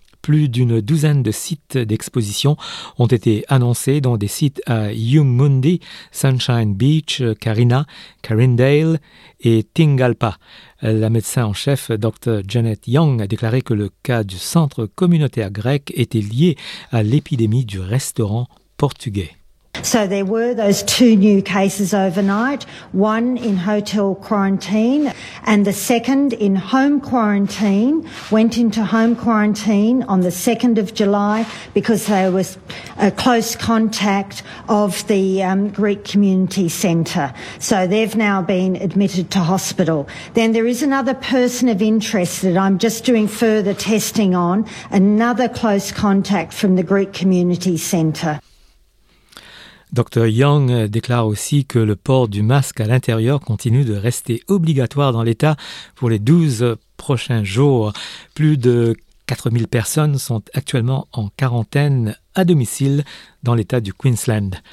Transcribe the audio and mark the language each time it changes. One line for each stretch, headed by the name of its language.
French: Plus d'une douzaine de sites d'exposition ont été annoncés, dont des sites à Yumundi, Sunshine Beach, Karina, Carindale et Tingalpa. La médecin en chef, Dr. Janet Young, a déclaré que le cas du centre communautaire grec était lié à l'épidémie du restaurant portugais.
English: So there were those two new cases overnight, one in hotel quarantine and the second in home quarantine, went into home quarantine on the 2nd of July because they were a close contact of the Greek community centre. So they've now been admitted to hospital. Then there is another person of interest that I'm just doing further testing on, another close contact from the Greek community centre.
French: Dr. Young déclare aussi que le port du masque à l'intérieur continue de rester obligatoire dans l'État pour les 12 prochains jours. Plus de 4000 personnes sont actuellement en quarantaine à domicile dans l'État du Queensland.